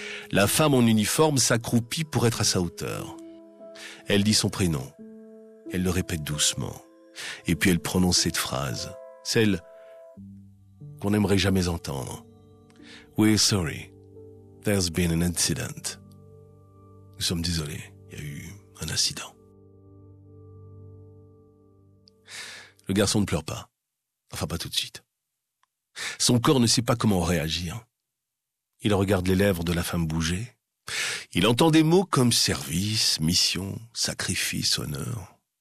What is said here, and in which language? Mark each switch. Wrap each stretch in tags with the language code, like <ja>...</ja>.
<fr>La femme en uniforme s'accroupit pour être à sa hauteur. Elle dit son prénom. Elle le répète doucement. Et puis elle prononce cette phrase, celle qu'on n'aimerait jamais entendre.</fr> <en>« We're sorry, there's been an incident ».</en> <fr>Nous sommes désolés, il y a eu un incident. Le garçon ne pleure pas, enfin pas tout de suite. Son corps ne sait pas comment réagir. Il regarde les lèvres de la femme bouger. Il entend des mots comme service, mission, sacrifice, honneur.</fr>